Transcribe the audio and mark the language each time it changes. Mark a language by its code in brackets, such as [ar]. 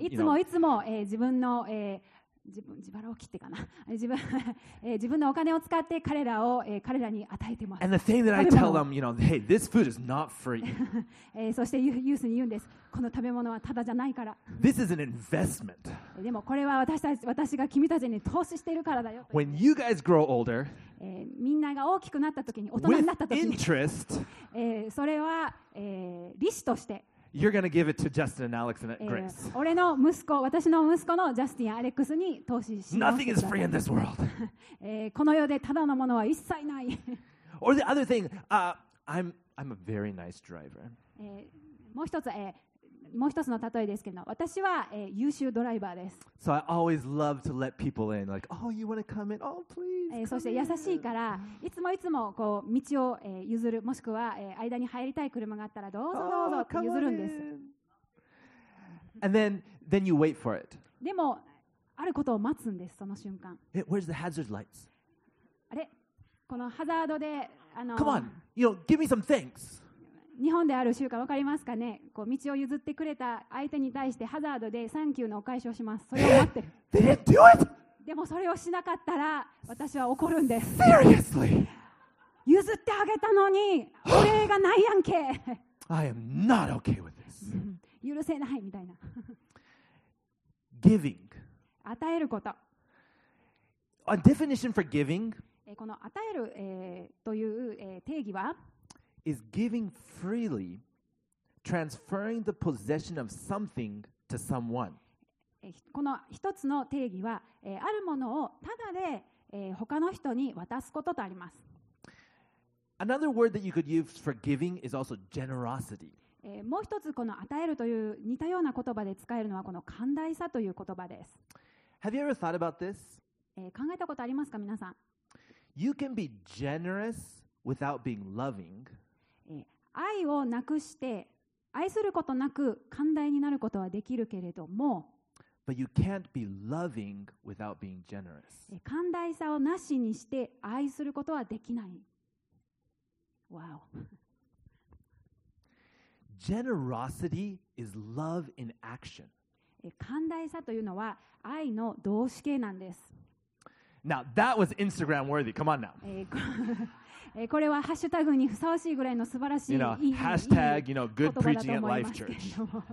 [ja] いつもいつも自分の自腹を切ってかな自分のお金を使って彼らに与えてます。 [en] And the thing that I tell them, you know, hey, this food is not free. [ja] そしてユースに言うんです。この食べ物はただじゃないから。 [en] This is an investment. [ja] でもこれは私が君たちに投資しているからだよ。 [en] When you guys grow older, [ja] みんなが大きくなった時に、大人になった時に、 [en] with interest, [ja] それは利子として、 [en] You're gonna give it to Justin and Alex and Grace. [ja] 俺の息子、私の息子のジャスティン、アレックスに投資します。 [en] Nothing is free in this world. [ja] この世でただのものは一切ない。 [en] Or the other thing, I'm a very nice driver. [ja] もう一つの例えですけど、私は優秀ドライバーです。 [en] So I always love to let people in, like, oh, you wanna come in? Oh, please. [ja] そして優しいから、いつもいつもこう道を譲る、もしくは間に入りたい車があったらどうぞどうぞって譲るんです。 [en] And then you wait for it. [ja] でもあることを待つんです、その瞬間。 [en] Hey, where's the hazard lights? [ja] あれ、このハザードで、 [en] Come on, you know, give me some thanks. [ja] 日本である習慣わかりますかね。こう道を譲ってくれた相手に対してハザードでサンキューのお返しをします。それを待ってる。 [en] They didn't do it! [ja] でもそれをしなかったら私は怒るんです。 [en] Seriously? [ja] 譲ってあげたのにお礼がないやんけ。 [en] I am not okay with this. [ja] 許せないみたいな。 [en] Giving. [ja] 与えること。 [en] A definition for giving? [ja] この与える、という、定義は [en] Is giving freely, transferring the possession of something to someone. [ja] この一つの定義は、あるものをただで、他の人に渡すこととあります。 [en] Another word that you could use for giving is also generosity. [ja] もう一つこの与えるという似たような言葉で使えるのはこの寛大さという言葉です。 [en] Have you ever thought about this? [ja] 考えたことありますか、皆さん。 [en] You can be generous without being loving. [ja] 愛をなくして愛することなく寛大になることはできるけれども、 [en] But you can't be loving without being generous. [ja] 寛大さをなしにして愛することはできない。 [en] Wow. Generosity is love in action. [ja] 寛大さというのは愛の動詞形なんです。 [en] Now that was Instagram worthy. Come on now. [ja] これはハッシュタグにふさわしいぐらいの素晴らしい、 [en] you know, hashtag, you know, good preaching at Life Church.